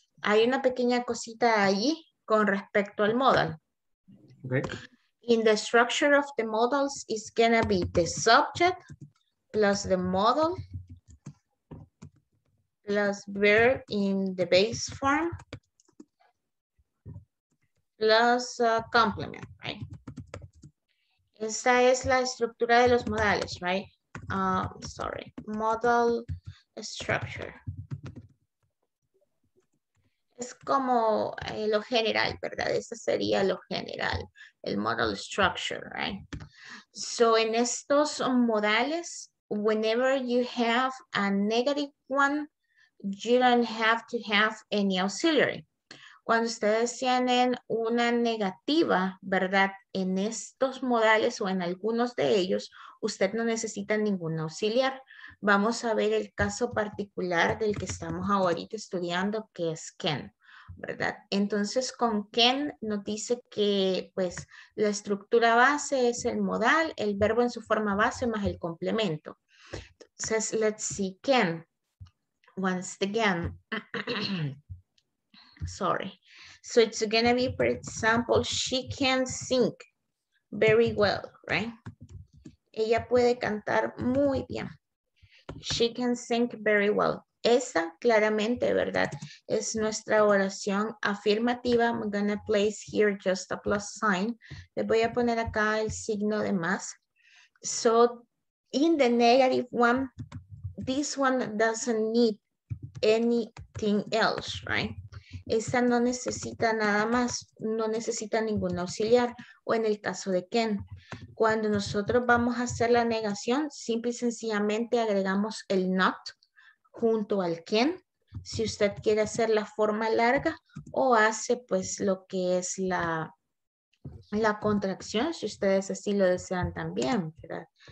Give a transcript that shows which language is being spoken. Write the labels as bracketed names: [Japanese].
[Spanish] Hay una pequeña cosita ahí con respecto al modal. [English] Okay. In the structure of the models, it's gonna be the subject plus the model plus verb in the base form plus complement, right? [Spanish] Esa es la estructura de los modales, right? [English] Sorry, model structure. [Spanish] Es como lo general, ¿verdad? Eso sería lo general, el model structure, right? [English] So, [Spanish] en estos modales, [English] whenever you have a negative one, you don't have to have any auxiliary. [Spanish] Cuando ustedes tienen una negativa, ¿verdad? En estos modales o en algunos de ellos, usted no necesita ningún auxiliar. Vamos a ver el caso particular del que estamos ahorita estudiando, que es can, ¿verdad? Entonces, con can nos dice que pues, la estructura base es el modal, el verbo en su forma base más el complemento. [English] Entonces, let's see can. Once again. Sorry. So it's going to be, for example, she can sing very well, right? [Spanish] Ella puede cantar muy bien. [English] She can sing very well. [Spanish] Esa claramente, ¿verdad? Es nuestra oración afirmativa. [English] I'm going to place here just a plus sign. [Spanish] Le voy a poner acá el signo de más. [English] So, in the negative one, this one doesn't need anything else, right? [Spanish] Esa no necesita nada más, no necesita ningún auxiliar. O en el caso de Ken, cuando nosotros vamos a hacer la negación, simple y sencillamente agregamos el not junto al Ken, si usted quiere hacer la forma larga, o hace pues lo que es la contracción, si ustedes así lo desean también, ¿verdad?